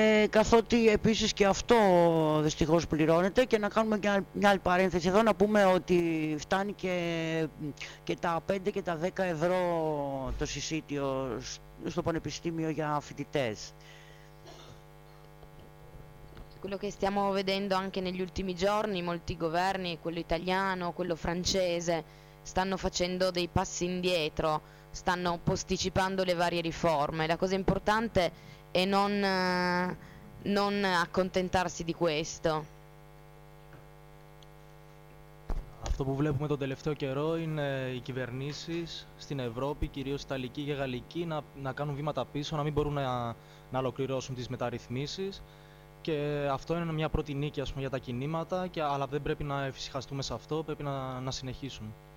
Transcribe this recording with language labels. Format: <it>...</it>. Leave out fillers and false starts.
<el>Καθότι επίσης και αυτό δυστυχώς πληρώνεται, και να κάνουμε και μια άλλη παρένθεση εδώ, να πούμε ότι φτάνει και τα 5 και τα 10 ευρώ το συσίτιο στο πανεπιστήμιο για φοιτητές.</el> <it>Quello che stiamo vedendo anche negli ultimi giorni, molti governi, quello italiano, quello francese, stanno facendo dei passi indietro, stanno posticipando le varie riforme. La cosa importante e non accontentarsi di questo.</it> <el>Αυτό που βλέπουμε τον τελευταίο καιρό είναι οι κυβερνήσεις στην Ευρώπη, κυρίως Ιταλική και Γαλλική, να κάνουν βήματα πίσω, να μην μπορούν να ολοκληρώσουν τις μεταρρυθμίσεις. Και αυτό είναι μια πρώτη νίκη, ας πούμε, για τα κινήματα, αλλά δεν πρέπει να εφησυχαστούμε σε αυτό, πρέπει να συνεχίσουν.</el>